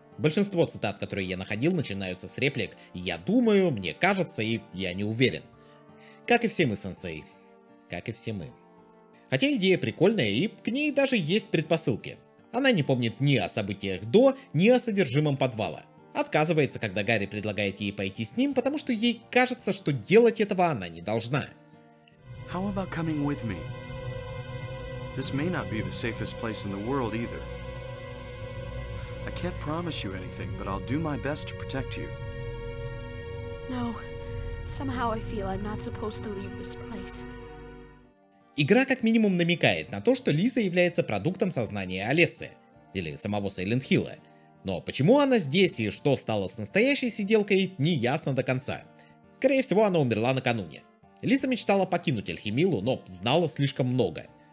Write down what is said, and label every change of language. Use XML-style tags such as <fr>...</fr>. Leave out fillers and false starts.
<ru>Большинство цитат, которые я находил, начинаются с реплик «Я думаю», «Мне кажется» и «Я не уверен». Как и все мы, сенсей. Как и все мы. Хотя идея прикольная, и к ней даже есть предпосылки. Она не помнит ни о событиях до, ни о содержимом подвала. Отказывается, когда Гарри предлагает ей пойти с ним, потому что ей кажется, что делать этого она не должна.</ru> <en>How about coming with me? This may not be the safest place in the world either. I can't promise you anything, but I'll do my best to protect you. No. Somehow I feel I'm not supposed to leave this place.</en> <ru>Игра как минимум намекает на то, что Лиза является продуктом сознания Алессы, или самого Сайлент Хилла. Но почему она здесь и что стало с настоящей сиделкой, не ясно до конца. Скорее всего, она умерла накануне. Лиза мечтала покинуть Альхимилу, но знала слишком много.</ru>